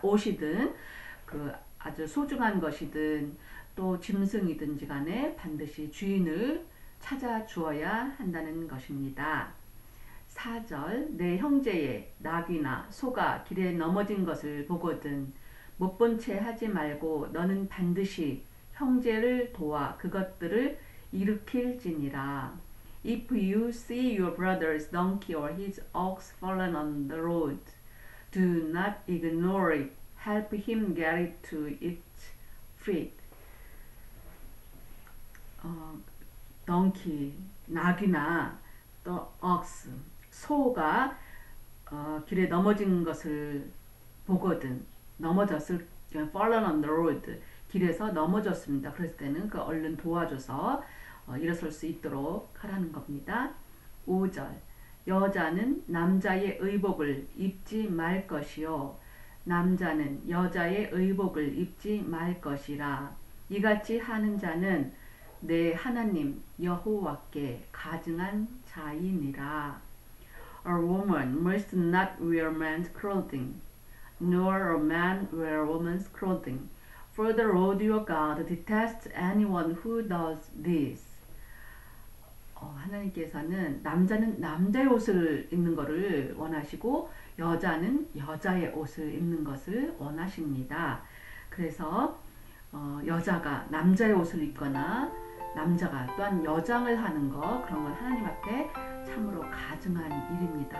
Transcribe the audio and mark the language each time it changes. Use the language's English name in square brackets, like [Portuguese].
[Korean] 옷이든 그 아주 소중한 것이든 또 짐승이든지 간에 반드시 주인을 찾아주어야 한다는 것입니다. 4절 내 형제의 낙이나 소가 길에 넘어진 것을 보거든 못 본 채 하지 말고 너는 반드시 형제를 도와 그것들을 일으킬지니라. [English] If you see your brother's donkey or his ox fallen on the road, do not ignore it. Help him get it to its feet. [Korean] Donkey, 낙이나 또 ox, 소가 길에 넘어진 것을 보거든. 넘어졌을 [English] fallen on the road, [Korean] 길에서 넘어졌습니다. 그랬을 때는 그 얼른 도와줘서 일어설 수 있도록 하라는 겁니다. 5절 여자는 남자의 의복을 입지 말 것이요 남자는 여자의 의복을 입지 말 것이라 이같이 하는 자는 내 하나님 여호와께 가증한 자이니라. [English] A woman must not wear man's clothing, nor a man wear woman's clothing. For the Lord your God detests anyone who does this. [Korean] 하나님께서는 남자는 남자의 옷을 입는 것을 원하시고 여자는 여자의 옷을 입는 것을 원하십니다. 그래서 여자가 남자의 옷을 입거나 남자가 또한 여장을 하는 것 그런 건 하나님 앞에 참으로 가증한 일입니다.